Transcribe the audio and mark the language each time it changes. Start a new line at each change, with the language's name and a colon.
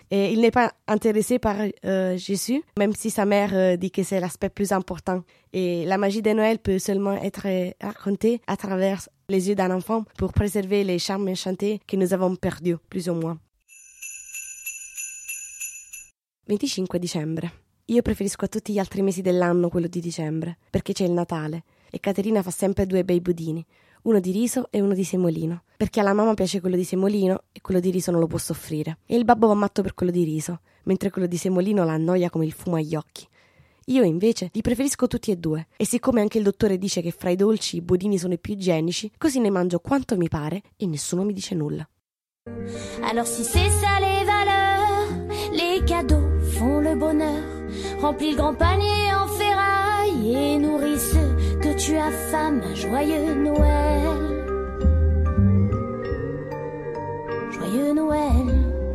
French: Et il n'est pas intéressé par Jésus, même si sa mère dit que c'est l'aspect plus important. Et la magie de Noël peut seulement être racontée à travers les yeux d'un enfant pour préserver les charmes enchantés que nous avons perdus, plus ou moins. 25 décembre.
Italian: Io preferisco a tutti gli altri mesi dell'anno quello di dicembre, perché c'è il Natale e Caterina fa sempre due bei budini, uno di riso e uno di semolino, perché alla mamma piace quello di semolino e quello di riso non lo può soffrire. E il babbo va matto per quello di riso, mentre quello di semolino la annoia come il fumo agli occhi. Io invece li preferisco tutti e due e siccome anche il dottore dice che fra i dolci i budini sono i più igienici, così ne mangio quanto mi pare e nessuno mi dice nulla.
French: Alors si c'est ça les valeurs, les cadeaux font le bonheur. Remplis le grand panier en ferraille et nourris ceux que tu affames. Joyeux Noël, joyeux Noël.